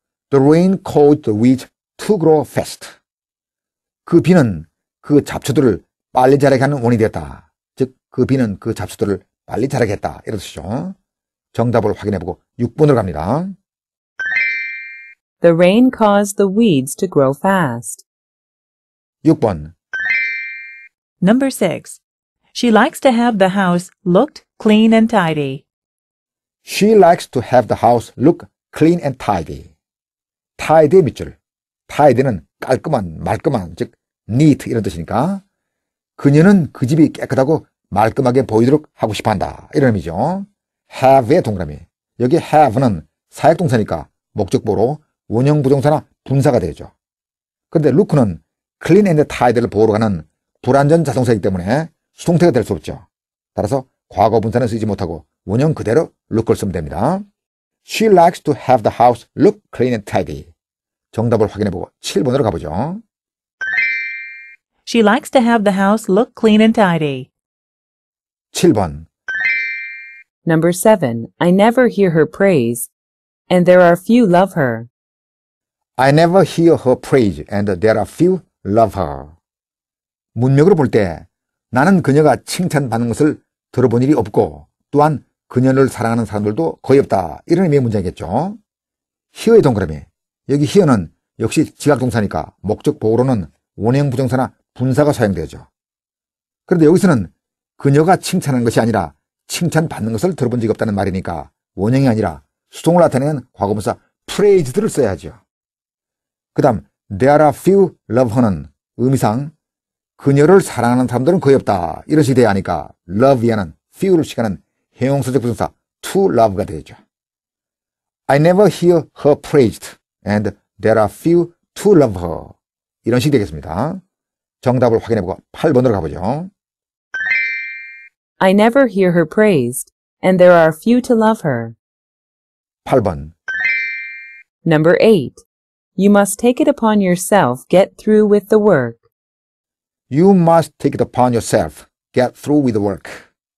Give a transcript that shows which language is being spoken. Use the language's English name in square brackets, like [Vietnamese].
[English] The rain caused the weeds to grow fast. [Korean] 그 비는 그 잡초들을 빨리 자라게 하는 원인이 되었다. 즉 그 비는 그 잡초들을 빨리 자라게 했다 이런 뜻이죠. 정답을 확인해보고 6번으로 갑니다. [English] The rain caused the weeds to grow fast. [Korean] 6번. [English] Number 6. She likes to have the house looked clean and tidy. She likes to have the house look clean and tidy. [Korean] tidy의 밑줄. tidy는 깔끔한, 말끔한, 즉 neat 이런 뜻이니까 그녀는 그 집이 깨끗하고 말끔하게 보이도록 하고 싶어한다 이런 의미죠. have의 동그라미. 여기 have는 사역동사니까 목적보로 원형 부정사나 분사가 되죠. 그런데 look는 [English] clean and tidy [Korean] 를 보러 가는 불완전 자동사이기 때문에 수동태가 될 수 없죠. 따라서 과거분사는 쓰지 못하고 원형 그대로 look을 쓰면 됩니다. [English] She likes to have the house look clean and tidy. [Korean] 정답을 확인해보고 7번으로 가보죠. [English] She likes to have the house look clean and tidy. [Korean] 7번. [English] Number 7. I never hear her praise, and there are few love her. I never hear her praise, and there are few love her. [Korean] 문맥으로 볼 때 나는 그녀가 칭찬받는 것을 들어본 일이 없고 또한 그녀를 사랑하는 사람들도 거의 없다. 이런 의미의 문장이겠죠. hear의 동그라미. 여기 hear는 역시 지각동사니까 목적보호로는 원형 부정사나 분사가 사용되죠. 그런데 여기서는 그녀가 칭찬하는 것이 아니라 칭찬받는 것을 들어본 적이 없다는 말이니까 원형이 아니라 수동을 나타내는 과거분사 praised를 써야죠. 그 다음 [English] there are few love her [Korean] 는 의미상 그녀를 사랑하는 사람들은 거의 없다. 이런 식이 돼야 하니까 love 이하는 few를 시작하는 형용사적 부정사 [English] to love [Korean] 가 되죠. [English] I never hear her praised and there are few to love her. [Korean] 이런 식이 되겠습니다. 정답을 확인해보고 8번으로 가보죠. [English] I never hear her praised and there are few to love her. [Korean] 8번. [English] Number 8. You must take it upon yourself, get through with the work. You must take it upon yourself, get through with the work.